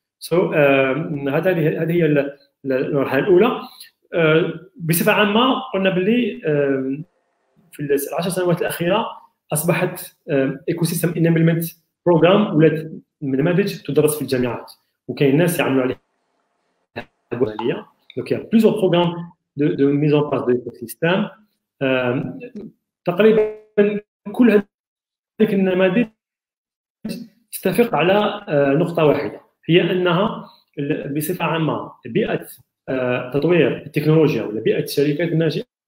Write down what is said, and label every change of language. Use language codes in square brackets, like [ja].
[ar] So, هذه هي المرحلة الأولى. بصفة عامة قلنا بلي في العشر سنوات الأخيرة أصبحت إيكوسيستم إنيبلمنت بروجرام ولات نماذج تدرس في الجامعات وكاين الناس يعملوا عليها. [fr] Donc il y a plusieurs programmes de mise en place d'écosystème. [ar] تقريبا كل لكن النماذج تتفق على نقطة واحدة هي أنها بصفة عامة بيئة تطوير التكنولوجيا ولا بيئة الشركات الناشئة